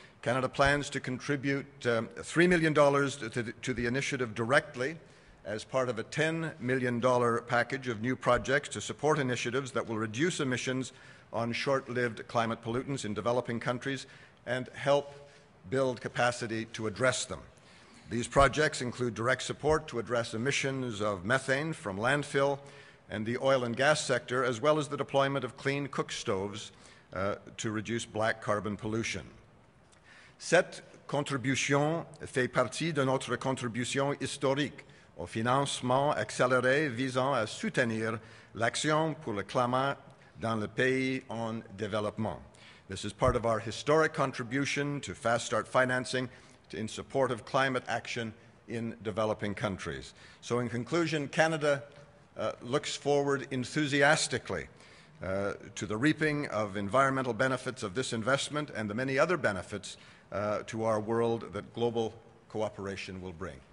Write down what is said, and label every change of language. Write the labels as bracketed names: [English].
[English] Canada plans to contribute $3 million to the initiative directly as part of a $10 million package of new projects to support initiatives that will reduce emissions on short-lived climate pollutants in developing countries and help build capacity to address them. These projects include direct support to address emissions of methane from landfill and the oil and gas sector, as well as the deployment of clean cook stoves to reduce black carbon pollution. [French] Cette contribution fait partie de notre contribution historique au financement accéléré visant à soutenir l'action pour le climat dans les pays en développement. [English] This is part of our historic contribution to fast start financing in support of climate action in developing countries. So in conclusion, Canada looks forward enthusiastically to the reaping of environmental benefits of this investment and the many other benefits to our world that global cooperation will bring.